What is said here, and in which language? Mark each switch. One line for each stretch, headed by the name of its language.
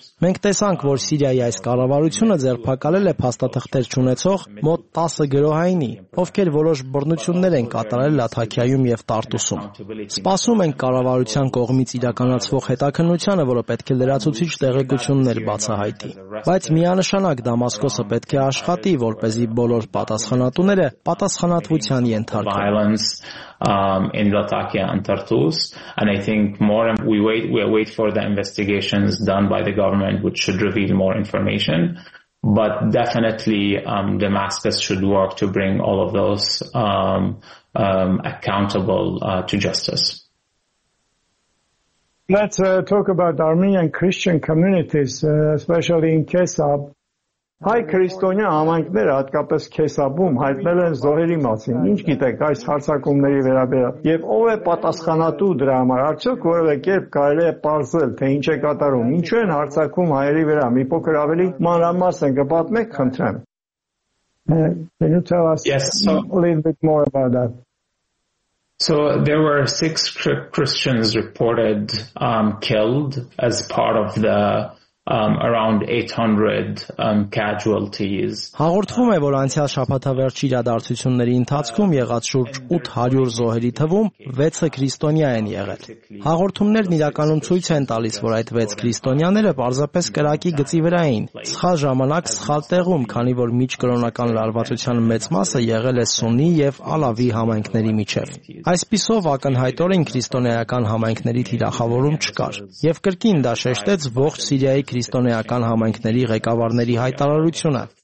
Armenian: Մենք տեսանք, որ Սիրիայի այս կառավարությունը ձերբակալել է փաստաթղթեր ունեցող մոտ 10 գրոհայինի, ովքեր որոշ բռնություններ են կատարել Լաթաքիայում եւ Տարտուսում։ Սպասում ենք կառավարության կողմից իրականացվող հետաքննությանը, որը պետք է լրացուցիչ տեղեկություններ բացահայտի, բայց միանշանակ Դամասկոսը պետք է աշխատի, որպեսզի բոլոր պատասխանատուները պատասխանատվության ենթարկեն
English: In Latakia and Tartus, and I think more we await for the investigations done by the government, which should reveal more information. But definitely, Damascus should work to bring all of those accountable to justice. Let's talk about Armenian Christian communities, especially in Kesab.
Armenian: Հայ քրիստոնյա համայնքները, հատկապես Քեսաբում, հայտնել են զոհերի մասին։ Ինչ գիտեք այս հարցակումների վերաբերյալ եւ ով է պատասխանատու դրա համար, արդյոք որևէ կերպ կարելի է պարզել, թե ինչ է կատարում, ինչու են հարցակում հայերի վրա, մի փոքր ավելի մանրամասն կպատմեք, խնդրեմ։
English: Can you tell us a little bit more about that? So there were 6 Christians reported killed as part of the around 800 casualties.
Armenian: Հաղորդվում է, որ անցյալ շաբաթավերջ իրադարձությունների ընթացքում եղած շուրջ 800 զոհերի թվում 6-ը քրիստոնյա են եղել։ Հաղորդումներն իրականում ցույց են տալիս, որ այդ 6 քրիստոնյաները պարզապես կրակի գծի վրա էին, սխալ ժամանակ, սխալ տեղում, քանի որ միջկրոնական լարվածության մեծ մասը եղել է Սուննի եւ Ալավի համայնքների միջև։ Այսպիսով ակնհայտորեն քրիստոնեական համայնքների թիրախավորում չկար, եւ կրկին դա շեշտեց ողջ Սիրիայի քրիստոնեական համայնքների ղեկավարների հայտարարությունը։